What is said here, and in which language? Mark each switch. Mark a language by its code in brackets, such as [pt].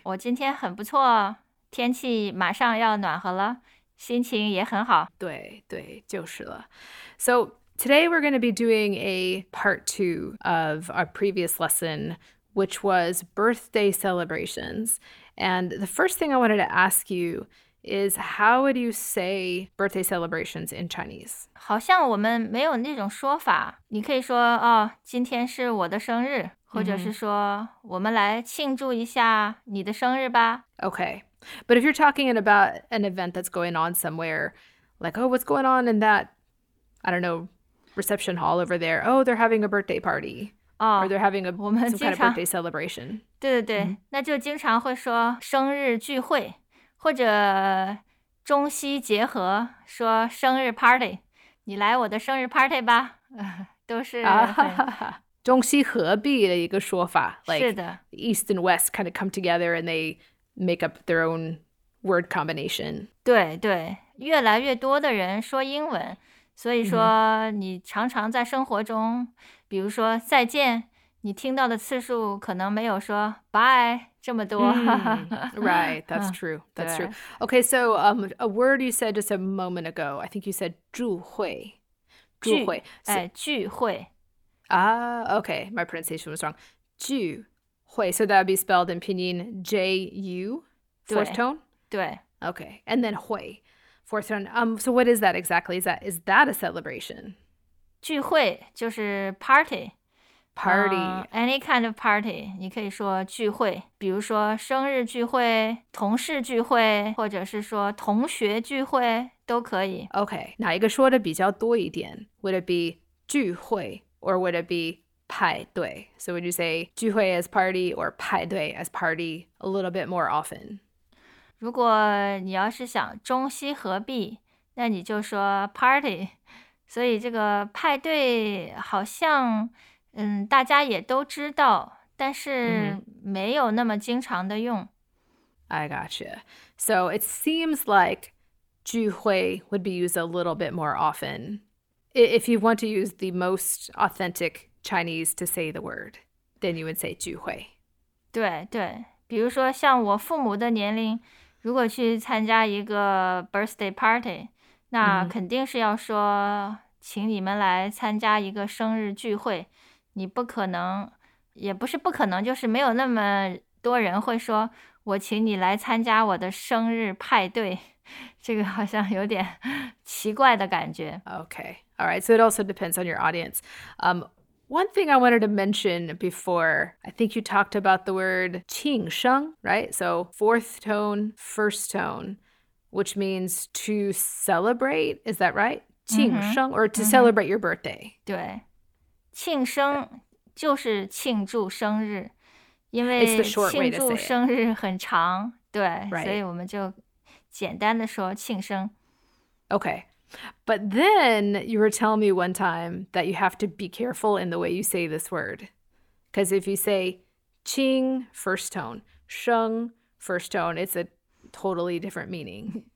[zh] 我今天很不错,天气马上要暖和了,心情也很好。对,对,就是了。 [en] So, today we're going to be doing a part two of our previous lesson, which was birthday celebrations. And the first thing I wanted to ask you is, how would you say birthday celebrations in Chinese? [zh] 好像我们没有那种说法。你可以说，哦，今天是我的生日，或者是说，我们来庆祝一下你的生日吧。 [en] Okay. But if you're talking about an event that's going on somewhere, like, oh, what's going on in that, I don't know, reception hall over there? Oh, they're having a birthday party. Oh, or they're having a, some kind of birthday celebration. [zh] 对对对，那就经常会说生日聚会，或者中西结合，说生日 party， 你来我的生日 party 吧，都是中西合璧的一个说法。是的。 [en] East and West kind of come together and they make up their own word combination. [zh] 对对，越来越多的人说英文，所以说你常常在生活中，比如说再见，你听到的次数可能没有说 bye 这么多。 [en] Right, that's true, that's true. Okay, so a word you said just a moment ago, I think you said 聚会。 [zh] 聚会。哎，聚会。 [en] Ah, okay, my pronunciation was wrong. 聚会, so that would be spelled in pinyin J-U, fourth tone? [zh] 对。 [en] Okay, and then 会, fourth tone. So what is that exactly? Is that a celebration? [zh] 聚会就是 party。 [en] Party. Any kind of party. [zh] 你可以说聚会，比如说生日聚会，同事聚会，或者是说同学聚会，都可以。 Okay, 哪一个说的比较多一点？ [en] Would it be 聚会 or would it be 派对？ So would you say 聚会 as party or 派对 as party a little bit more often? [zh] 如果你要是想中西合璧，那你就说 party。所以这个派对好像大家也都知道，但是没有那么经常的用。 [en] I gotcha. So it seems like 聚会 would be used a little bit more often if you want to use the most authentic Chinese to say the word, then you would say 聚会。 [zh] 对对，比如说像我父母的年龄，如果去参加一个 birthday party， 那肯定是要说请你们来参加一个生日聚会。你不可能，也不是不可能，就是没有那么多人会说我请你来参加我的生日派对，这个好像有点奇怪的感觉。 [en] Okay, all right, so it also depends on your audience. One thing I wanted to mention before, I think you talked about the word 庆生, right? So fourth tone, first tone, which means to celebrate, is that right? 庆生, or to celebrate your birthday. [zh] 对，庆生就是庆祝生日，因为庆祝生日很长，对， [en] right. [zh] 所以我们就简单的说庆生。 [en] Okay, but then you were telling me one time that you have to be careful in the way you say this word. Because if you say 庆 first tone, 生 first tone, it's a totally different meaning.